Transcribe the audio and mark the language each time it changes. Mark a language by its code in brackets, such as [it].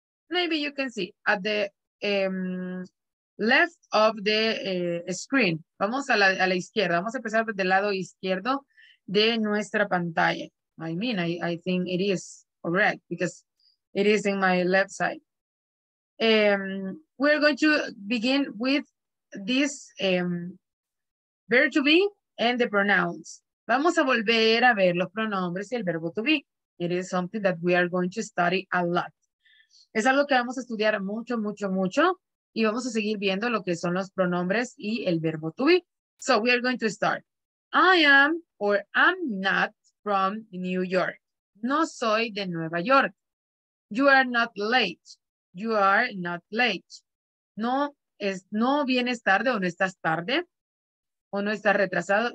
[en] Maybe you can see at the left of the screen. [es] Vamos a la izquierda. Vamos a empezar desde el lado izquierdo de nuestra pantalla. [en] I mean, I think it is correct because it is in my left side. We're going to begin with this verb to be and the pronouns. [es] Vamos a volver a ver los pronombres y el verbo to be. [en] It is something that we are going to study a lot. [es] Es algo que vamos a estudiar mucho, mucho, mucho. Y vamos a seguir viendo lo que son los pronombres y el verbo to be. [en] So we are going to start. I am or am not from New York. [es] No soy de Nueva York. [en] You are not late. You are not late. [es] No vienes tarde o no estás tarde. O no estás retrasado.